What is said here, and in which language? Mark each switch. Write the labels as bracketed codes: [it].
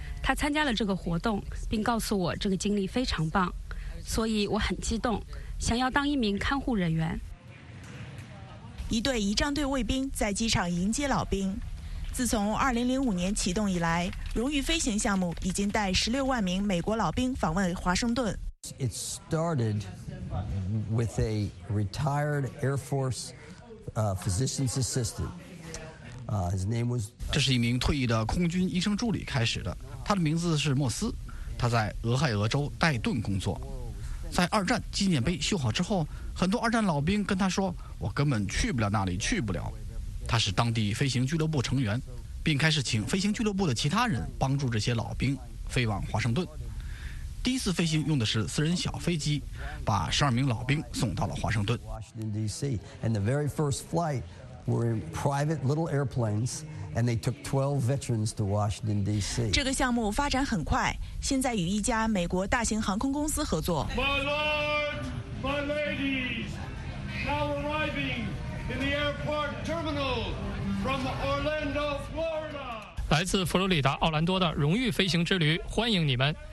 [zh] 他参加了这个活动，并告诉我这个经历非常棒，所以我很激动，想要当一名看护人员。一队仪仗队卫兵在机场迎接老兵。自从2005年启动以来，荣誉飞行项目已经带16万名美国老兵访问华盛顿。 [en] It started with a retired Air Force physician's assistant. His name was. [zh] 这是一名退役的空军医生助理开始的，他的名字是莫斯，他在俄亥俄州戴顿工作。在二战纪念碑修好之后，很多二战老兵跟他说：“我根本去不了那里，去不了。” 他是当地飞行俱乐部成员，并开始请飞行俱乐部的其他人帮助这些老兵飞往华盛顿。第一次飞行用的是私人小飞机，把12名老兵送到了华盛顿。 [en] Washington D.C. and the very first flight were in private little airplanes, and they took 12 veterans to Washington D.C. [zh] 这个项目发展很快，现在与一家美国大型航空公司合作。 [en] My lord, my ladies, now arriving in the airport terminal from Orlando, Florida. [zh] 来自佛罗里达奥兰多的荣誉飞行之旅，欢迎你们。